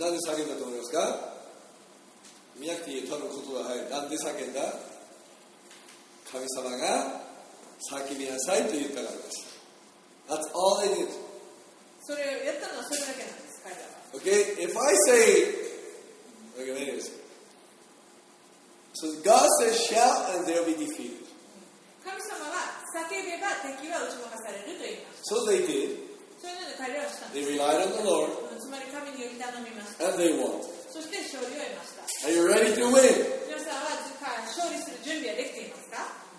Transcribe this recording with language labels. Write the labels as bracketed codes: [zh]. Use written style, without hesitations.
[ja] なぜ叫んだと思いますか?見なくていい。多分ことは、はい、なんで叫んだ？神様が叫びなさいと言ったからです。 [en] That's all they did. [ja] それをやったのはそれだけなんです、彼らは。 [en] Okay, if I say, okay, anyways. So God says, shout and they'll be defeated. [ja] 神様は叫べば敵は打ち負かされると言います。 [en] So they did. [ja] それなので彼らはしたんです。 [en] They relied on the Lord. [ja] つまり神により頼みました。 [en] And they won. [ja] そして勝利を得ました。 [en] Are you ready to win? [ja] 皆さんは勝利する準備はできていますか？